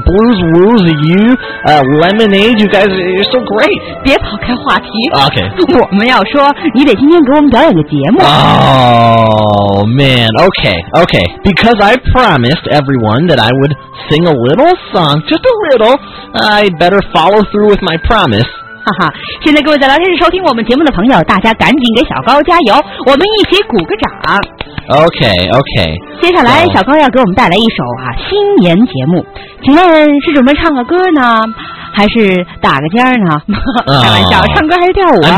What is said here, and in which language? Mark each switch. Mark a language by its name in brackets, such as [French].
[English] Blues Woos, you, lemonade, you guys, you're so great. [Chinese] 别跑开话题。 [English] Okay. [Chinese] 我们要说，你得今天给我们表演个节目。 [English] Oh, man. Okay, okay. Because I promised everyone that I would sing a little song, just a little, I better follow through with my promise. [Chinese] 哈哈，现在各位在聊天室收听我们节目的朋友，大家赶紧给小高加油，我们一起鼓个掌。 [English] OK OK， [Chinese] 接下来小高要给我们带来一首啊新年节目，请问是准备唱个歌呢，还是打个尖呢？开玩笑，唱歌还是跳舞啊？